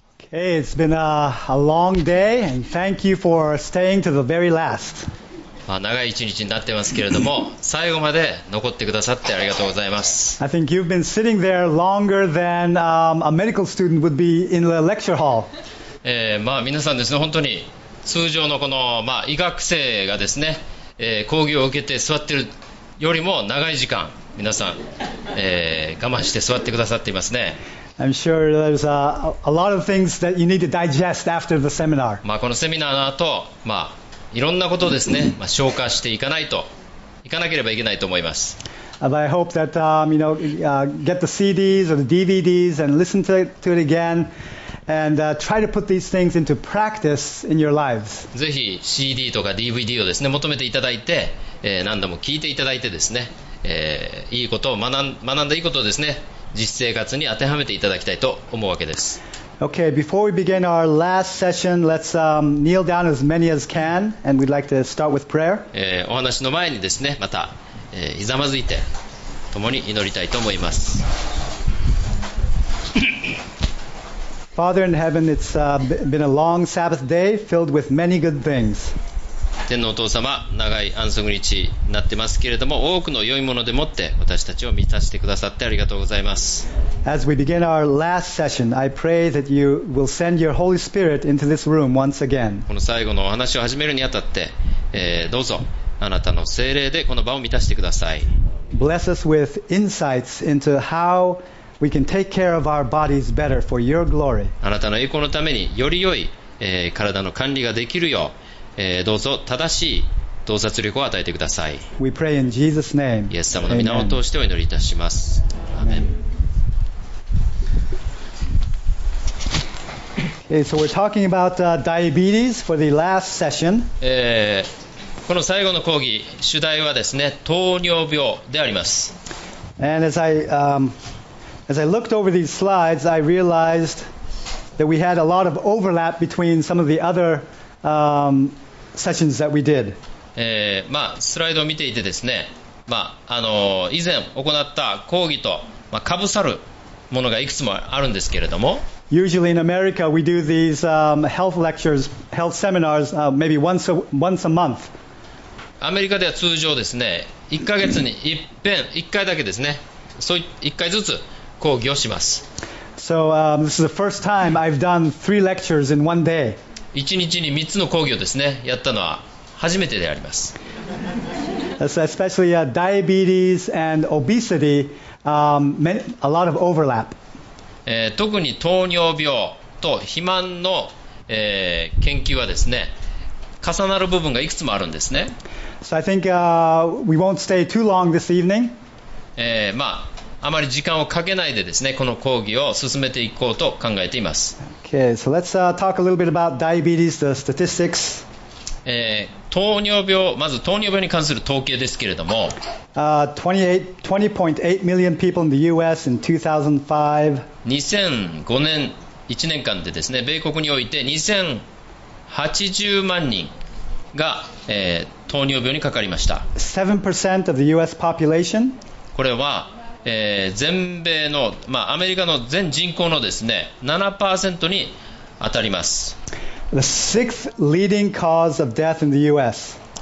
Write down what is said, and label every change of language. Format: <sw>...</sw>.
<en>Hey, it's been a long day, and thank you for staying to the very last.</en> <ja>まあ、長い一日になってますけれども、最後まで残ってくださってありがとうございます。</ja> <en>I think you've been sitting there longer than a medical student would be in the lecture hall.</en> <ja>まあ、皆さんですね、本当に通常のこの、まあ、医学生がですね、講義を受けて座っているよりも長い時間、皆さん、我慢して座ってくださっていますね。</ja> <en>I'm sure there's a lot of things that you need to digest after the seminar.</en> <ja>まあこのセミナーの後、まあいろんなことをですね、まあ消化していかないといかなければいけないと思います。</ja> <en>But I hope that you know, get the CDs or the DVDs and listen to it again and try to put these things into practice in your lives.</en> <ja>ぜひ CD とか DVD をですね、求めていただいて、何度も聞いていただいてですね、いいことを学んだいいことをですね。実生活に当てはめていただきたいと思うわけです。</ja> <en>Okay, before we begin our last session, let's kneel down as many as can, and we'd like to start with prayer.</en> <ja>お話の前にですね、また、ひざまずいて共に祈りたいと思います。</ja> <en>Father in heaven, it's been a long Sabbath day filled with many good things.</en> <ja>天のお父様、長い安息日になってますけれども、多くの良いものでもって私たちを満たしてくださってありがとうございます。</ja> <en>As we begin our last session, I pray that you will send your Holy Spirit into this room once again.</en> <ja>この最後のお話を始めるにあたって、どうぞあなたの聖霊でこの場を満たしてください。</ja> <en>Bless us with insights into how we can take care of our bodies better for your glory.</en> <ja>あなたの栄光のためにより良い、体の管理ができるよう。どうぞ正しい洞察力を与えてください。</ja> <en>We pray in Jesus' name.</en> <ja>イエス様の御名を通してお祈りいたします。アーメン。</ja> <en>Okay, so we're talking about diabetes for the last session.</en> <ja>この最後の講義主題はですね、糖尿病であります。</ja> <en>And as I looked over these slides, I realized that we had a lot of overlap between some of the other sessions that we did.</en> <ja>まあ、スライドを見ていてですね、まあ以前行った講義と、まあ、被さるものがいくつもあるんですけれども。</ja> <en>Usually in America we do these health lectures, health seminars, maybe once a month.</en> <ja>アメリカでは通常ですね、1ヶ月に一遍、1回だけですね、そう一回ずつ講義をします。</ja> <en>So this is the first time I've done three lectures in one day.</en> <ja>1日に3つの講義をですね、やったのは初めてであります。</ja> <en>Especially diabetes and obesity, a lot of overlap.</en> <ja>特に糖尿病と肥満の、研究はですね、重なる部分がいくつもあるんですね。</ja> <en>So I think we won't stay too long this evening.</en> <ja>まあ、あまり時間をかけないでですね、この講義を進めていこうと考えています。</ja> <en>Okay, so let's talk a little bit about diabetes, the statistics.</en> <ja>糖尿病、まず糖尿病に関する統計ですけれども、</ja> <en>20.8 million people in the U.S. in 2005.</en> <ja>2005年1年間でですね、米国において2080万人が、糖尿病にかかりました。</ja> <en>7% of the U.S. population.</en> <ja>これは全米の、まあ、アメリカの全人口のですね、 7% に当たります。</ja> <en>The sixth leading cause of death in the US.</en>